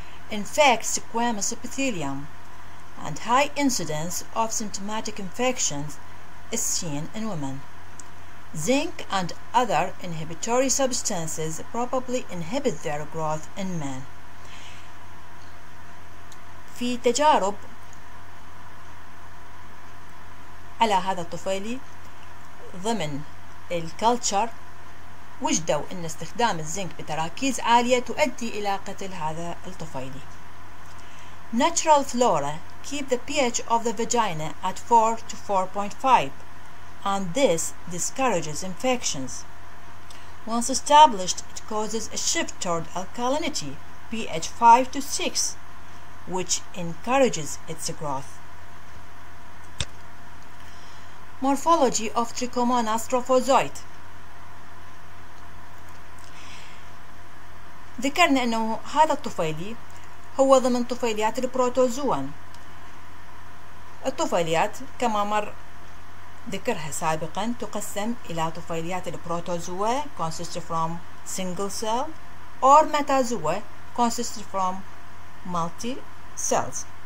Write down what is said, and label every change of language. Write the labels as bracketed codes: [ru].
[en] Infects squamous epithelium and high incidence of symptomatic infections is seen in women. Zinc and other inhibitory substances probably inhibit their growth in men. [ar] في تجارب على هذا الطفيلي ضمن الكلتشر وجدوا ان استخدام الزنك بتراكيز عالية تؤدي الى قتل هذا الطفيلي. [en] Natural flora keep the pH of the vagina at 4 to 4.5 and this discourages infections. Once established it causes a shift toward alkalinity, pH 5 to 6, which encourages its growth. Morphology of Trichomonas trophozoite. [ar] ذكرنا أنه هذا الطفيلي هو ضمن طفيليات البروتوزوان. الطفيليات كما مر ذكرها سابقا تقسم إلى طفيليات البروتوزوا [en] consist from single cell or metazoa consist from multi cells.